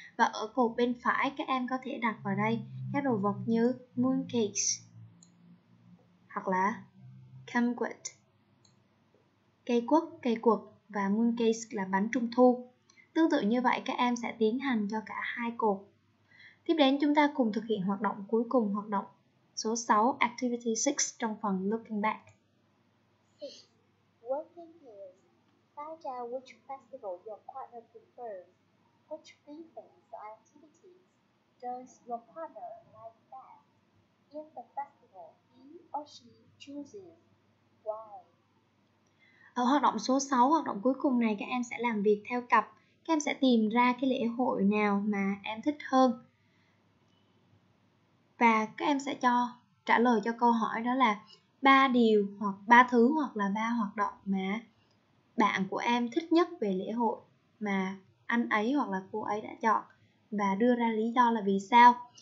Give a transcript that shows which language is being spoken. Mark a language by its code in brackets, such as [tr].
[vi] Và ở cột bên phải, các em có thể đặt vào đây các đồ vật như mooncakes hoặc là kumquat, cây quất và mooncakes là bánh trung thu. Tương tự như vậy, các em sẽ tiến hành cho cả hai cột. Tiếp đến chúng ta cùng thực hiện hoạt động cuối cùng, hoạt động số 6, Activity 6 trong phần Looking Back. 6. [en] Working is find out which festival your partner prefers. Which three things or activities does your partner like best in the festival he or she chooses? Why? [vi] Ở hoạt động số 6, hoạt động cuối cùng này, các em sẽ làm việc theo cặp. Các em sẽ tìm ra cái lễ hội nào mà em thích hơn. Và các em sẽ trả lời cho câu hỏi đó là ba điều hoặc ba thứ hoặc là ba hoạt động mà bạn của em thích nhất về lễ hội mà anh ấy hoặc là cô ấy đã chọn, và đưa ra lý do là vì sao.